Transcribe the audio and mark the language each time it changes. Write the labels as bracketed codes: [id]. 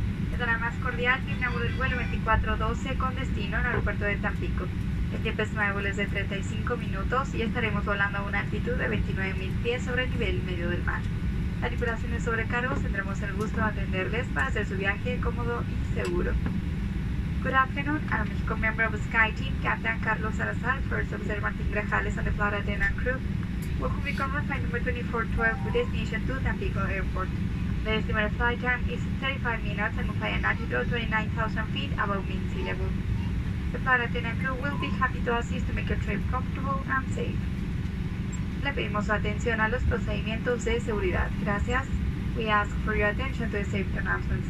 [es] Les dará más cordial que inauguró el vuelo 2412 con destino al aeropuerto de Tampico. El tiempo estimado es de 35 minutos y estaremos volando a una altitud de 29.000 pies sobre el nivel medio del mar. La tripulación de sobrecargo tendremos el gusto de atenderles para hacer su viaje cómodo y seguro. [en] Good afternoon, I'm a Mexico member of the Sky Team, Captain Carlos Salazar, first officer Martin Grajales on the flight attendant crew. Welcome to the flight number 2412 with destination to Tampico Airport. The estimated flight time is 35 minutes and will fly at an altitude of 29,000 feet above mean sea level. The flight attendant crew will be happy to assist to make your trip comfortable and safe. [es] Le pedimos su atención a los procedimientos de seguridad. Gracias. [en] We ask for your attention to the safety announcements.